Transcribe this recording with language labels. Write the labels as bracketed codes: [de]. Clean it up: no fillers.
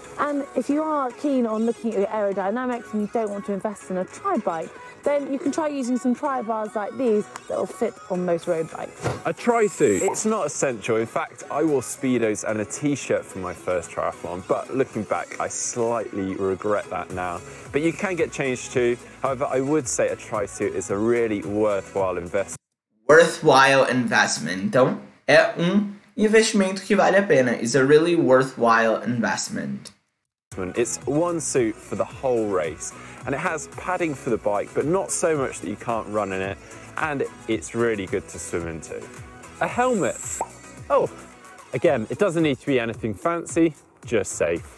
[en] And if you are keen on looking at your aerodynamics and you don't want to invest in a tri bike, then you can try using some tri bars like these that will fit on most road bikes. A tri suit. It's not essential. In fact, I wore Speedos and a t-shirt for my first triathlon, but looking back, I slightly regret that now. But you can get changed too. However, I would say a tri suit is a really worthwhile investment. Worthwhile investment. [pt] Então, é um investimento que vale a pena. [en] It's a really worthwhile investment. It's one suit for the whole race, and it has padding for the bike, but not so much that you can't run in it, and it's really good to swim into. A helmet. Oh, again, it doesn't need to be anything fancy, just safe.